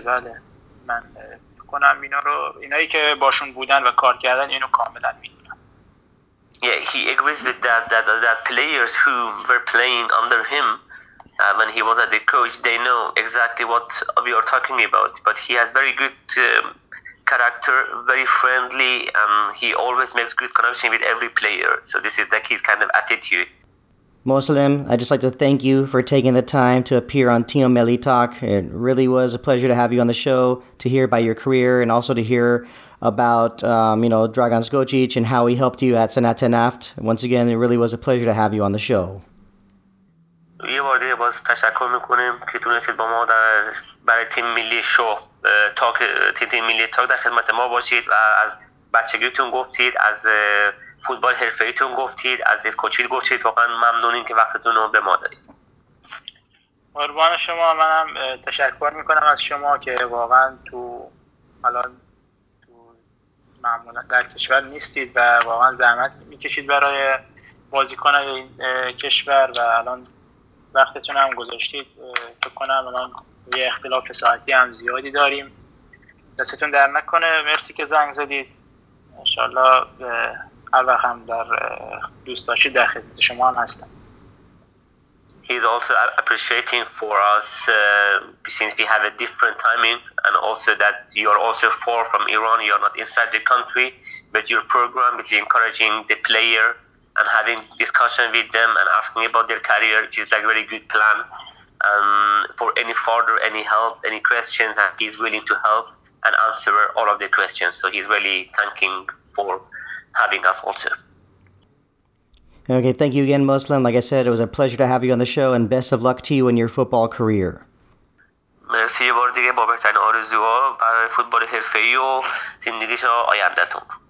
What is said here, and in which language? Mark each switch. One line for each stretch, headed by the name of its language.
Persian: بله من می‌کنم اینا رو، اینایی که باشون بودن و کار کردن اینو کاملا می‌دونم.
English: Yeah, he agrees with that players who were playing under him when he was at the coach, they know exactly what we are talking about. But he has very good character, very friendly, and he always makes good connection with every player. So this is like his kind of attitude. Moslem, I'd just like to thank you for taking the time to appear on Tino Meli Talk. It really was a pleasure to have you on the show, to hear about your career, and also to hear about Dragan Skocic and how he helped you at Senat Tenaft. Once again, it really was a pleasure to have you on the show.
Persian: یه بار دیگه باز تشکر میکنیم که تونستید با ما در برای تیم ملی شو تیم ملی تاک در خدمت ما باشید و از بچگیتون گفتید، از فوتبال حرفه‌ایتون گفتید، از اسکوچیل گفتید. واقعا ممنونیم که وقتتون رو به ما دادید. قربان شما. منم تشکر میکنم از شما که واقعا تو الان تو معمولا در کشور نیستید و واقعا زحمت میکشید برای بازیکن این کشور و الان وقتتون هم گذاشتید. فکر کنم الان یه اختلاف ساعتی هم زیادی داریم، دستتون در نکنه. مرسی که زنگ زدید. انشالله هر وقت هم در دوست داشتید در خدمت شما هم هستم.
English: He's also appreciating for us since we have a different timing and also that you're also far from Iran. You're not inside the country, but your program is encouraging the player and having discussion with them and asking about their career, which is like a very good plan. For any further, any help, any questions, and he's willing to help and answer all of the questions. So he's really thanking for having us also. Okay, thank you again, Muslim. Like I said, it was a pleasure to have you on the show, and best of luck to you in your football career.
Persian: مرسی بار دیگه بابتن آرزوها برای فوتبال حرفه‌ای و زندگیش آیندهتون.